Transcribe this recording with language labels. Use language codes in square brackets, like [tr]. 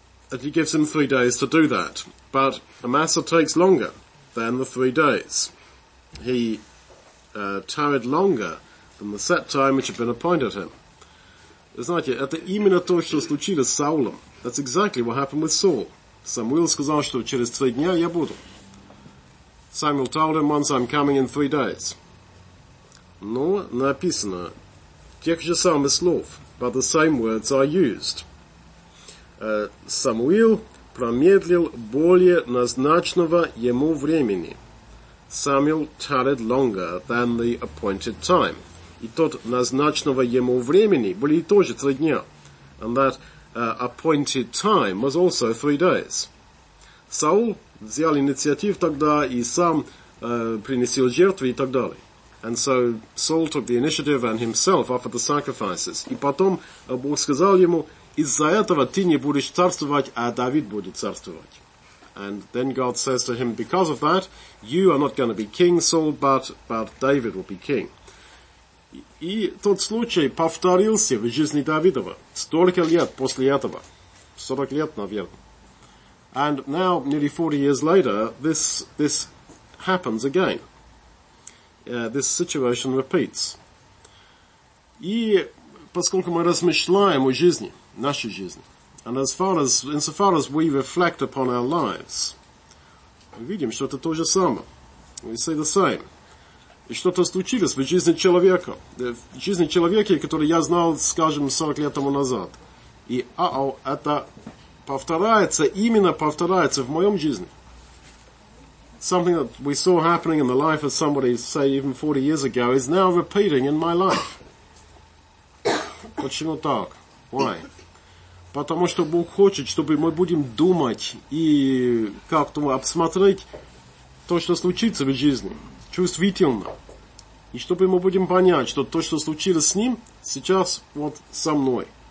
[en] And he gives him 3 days to do that. But Amasa takes longer than the 3 days. He tarried longer than the set time which had been appointed him. [ru] Знаете, это именно то, что случилось с Саулом. [en] That's exactly what happened with Saul. Samuel [ru] сказал, что через 3 дня я буду. [en] Samuel told him once, I'm coming in 3 days. [ru] Но написано тех же самых слов, [en] but the same words are used. [ru] Самуил промедлил более назначенного ему времени. [en] Samuel tarried longer than the appointed time. [ru] И тот назначенного ему времени были тоже 3 дня. [en] And that appointed time was also 3 days. [ru] Саул взял инициативу тогда и сам принесил жертвы и так далее. [en] And so Saul took the initiative and himself offered the sacrifices. [ru] И потом Бог сказал ему, из-за этого ты не будешь царствовать, а Давид будет царствовать. [en] And then God says to him, because of that, you are not going to be king, Saul, but David will be king. [ru] И тот случай повторился в жизни Давидова столько лет после этого. 40 лет, наверное. [en] And now, nearly 40 years later, this happens again. This situation repeats. [ru] И поскольку мы размышляем о жизни, нашей жизни, [en] and insofar as we reflect upon our lives, [ru] мы видим, что это то же самое. [en] We say the same. [ru] И что-то случилось в жизни человека. В жизни человека, который я знал, скажем, 40 лет тому назад. И это повторяется, именно повторяется в моем жизни. [en] Something that we saw happening in the life of somebody, say, even 40 years ago, is now repeating in my life. [ru] Почему так? [en] Why? [ru] Потому что Бог хочет, чтобы мы будем думать и как-то обсмотреть то, что случится в жизни, чувствительно. И чтобы мы будем понять, что то, что случилось с ним, сейчас вот со мной.